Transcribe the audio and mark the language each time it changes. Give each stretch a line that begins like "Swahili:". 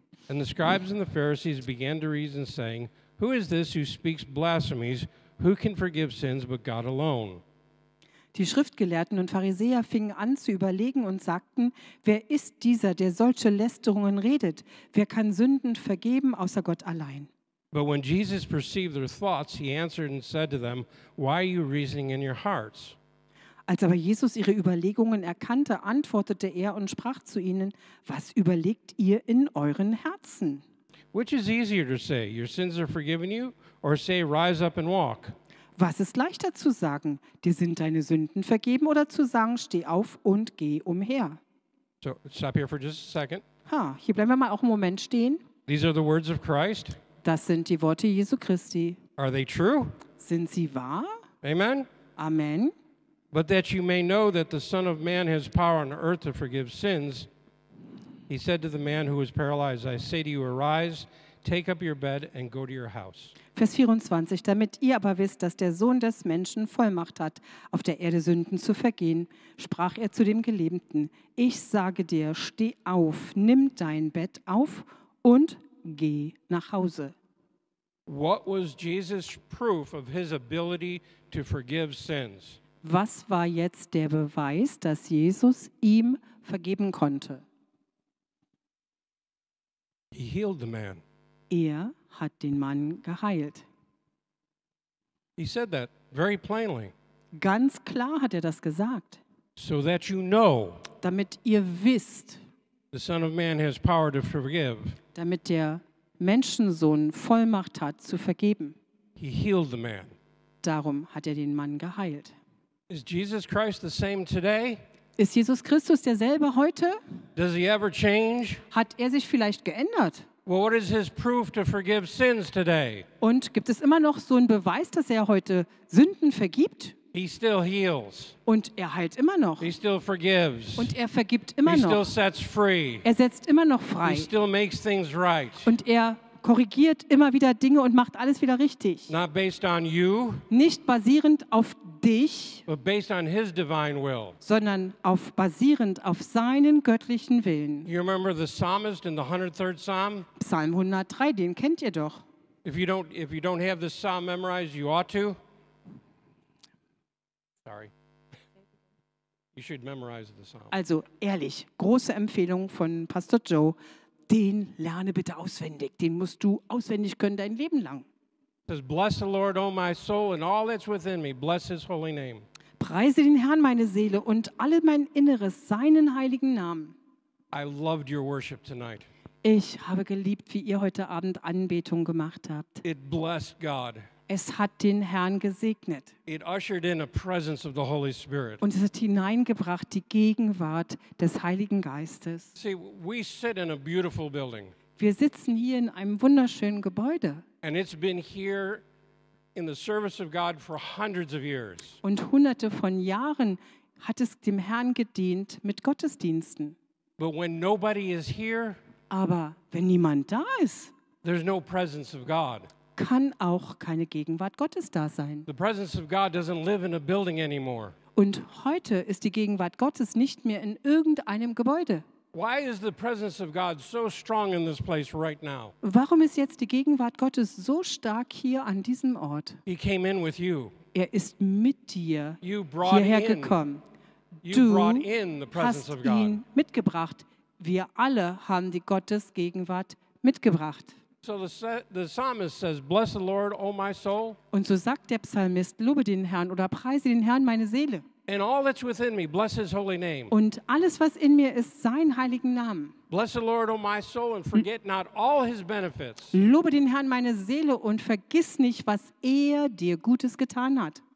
English: And the scribes and the Pharisees began to reason, saying, "Who is this who speaks blasphemies? Who can forgive sins but God alone?"
German: Die Schriftgelehrten und Pharisäer fingen an zu überlegen und sagten, wer ist dieser, der solche Lästerungen redet? Wer kann Sünden vergeben außer Gott allein?
English: But when Jesus perceived their thoughts, he answered and said to them, "Why are you reasoning in your hearts?"
German: Als aber Jesus ihre Überlegungen erkannte, antwortete er und sprach zu ihnen, was überlegt ihr in euren Herzen?
English: Which is easier to say, your sins are forgiven you, or say, rise up and walk?
German: Was ist leichter zu sagen, dir sind deine Sünden vergeben, oder zu sagen, steh auf und geh umher?
English: So, stop here for just a second.
German: Ha, hier bleiben wir mal auch einen Moment stehen.
English: These are the words of Christ.
German: Das sind die Worte Jesu Christi.
English: Are they true?
German: Sind sie wahr?
English: Amen.
German: Amen.
English: But that you may know that the Son of Man has power on earth to forgive sins, he said to the man who was paralyzed, I say to you, arise, take up your bed and go to your house.
German: Vers 24, damit ihr aber wisst, dass der Sohn des Menschen Vollmacht hat, auf der Erde Sünden zu vergehen, sprach er zu dem Gelähmten, ich sage dir, steh auf, nimm dein Bett auf und geh nach Hause.
English: What was Jesus' proof of his ability to forgive sins?
German: Was war jetzt der Beweis, dass Jesus ihm vergeben konnte?
English: He healed the man.
German: Er hat den Mann geheilt.
English: He said that very plainly.
German: Ganz klar hat er das gesagt.
English: So that you know.
German: Damit ihr wisst.
English: The Son of Man has power to forgive.
German: Damit der Menschensohn Vollmacht hat zu vergeben.
English: He healed the man.
German: Darum hat er den Mann geheilt.
English: Is Jesus Christ the same today?
German: Ist Jesus Christus derselbe heute?
English: Does he ever change?
German: Hat er sich vielleicht geändert?
English: Well, what is his proof to forgive sins today?
German: Und gibt es immer noch so einen Beweis, dass er heute Sünden vergibt?
English: He still heals.
German: Und er heilt immer noch.
English: He still forgives.
German: Und er vergibt immer he noch.
English: Still sets free.
German: Er setzt immer noch frei.
English: He still makes things right.
German: Und er korrigiert immer wieder Dinge und macht alles wieder richtig.
English: Not based on you,
German: nicht basierend auf dich,
English: but based on his divine will.
German: Sondern auf, basierend auf seinen göttlichen Willen.
English: You remember the psalmist in the 103rd Psalm?
German: Psalm 103, den kennt ihr doch.
English: If you don't have this psalm memorized, you ought to. Sorry. You should memorize the psalm.
German: Also ehrlich, große Empfehlung von Pastor Joe. Den lerne bitte auswendig. Den musst du auswendig können dein Leben lang.
English: Bless the Lord, O my soul, and all that's within me. Bless his holy name.
German: Preise den Herrn, meine Seele, und alle mein Inneres, seinen heiligen Namen.
English: I loved your worship tonight.
German: Ich habe geliebt, wie ihr heute Abend Anbetung gemacht habt.
English: It blessed God.
German: Es hat den Herrn gesegnet.
English: It ushered in a presence of the Holy Spirit.
German: Und es hat hineingebracht die Gegenwart des Heiligen Geistes.
English: See, we sit in a beautiful building.
German: Wir sitzen hier in einem wunderschönen Gebäude.
English: And it's been here in the service of God for hundreds of years.
German: Und hunderte von Jahren hat es dem Herrn gedient mit Gottesdiensten.
English: But when nobody is here,
German: aber wenn niemand da ist,
English: there's no presence of God.
German: Kann auch keine Gegenwart Gottes da sein.
English: The presence of God doesn't live in a building anymore.
German: Und heute ist die Gegenwart Gottes nicht mehr in irgendeinem Gebäude.
English: Why is the presence of God so strong in this place right now?
German: Warum ist jetzt die Gegenwart Gottes so stark hier an diesem Ort?
English: He came in with you.
German: Er ist mit dir hierher gekommen.
English: You brought in the presence of God.
German: Du hast ihn mitgebracht. Wir alle haben die Gottesgegenwart mitgebracht.
English: So the psalmist says, "Bless the Lord, O my soul."
German: Und so sagt der Psalmist, lobe den Herrn oder preise den Herrn, meine Seele.
English: And all that's within me, bless his holy name.
German: Und alles, was in mir ist, sein heiligen Namen.
English: Bless the Lord, O my soul, and forget not all his benefits.
German: Lobe den Herrn, meine Seele, und vergiss nicht, was er dir Gutes getan hat.